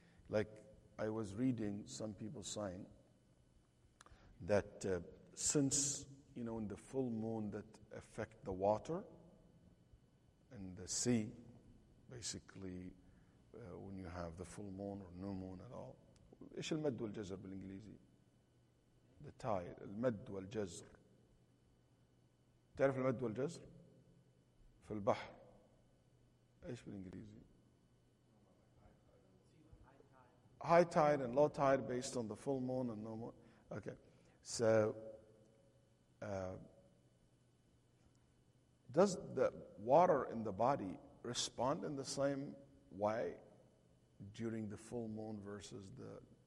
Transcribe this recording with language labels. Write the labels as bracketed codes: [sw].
[en] Like I was reading some people saying that since, you know, in the full moon that affect the water and the sea, basically when you have the full moon or new moon at all. [ar] إيش المد والجزر بالإنجليزي؟ [en] The tide, [ar] المد والجزر. تعرف المد والجزر؟ في البحر. إيش بالإنجليزي؟ [en] High tide and low tide based on the full moon and no moon. Okay. So, does the water in the body respond in the same way during the full moon versus the...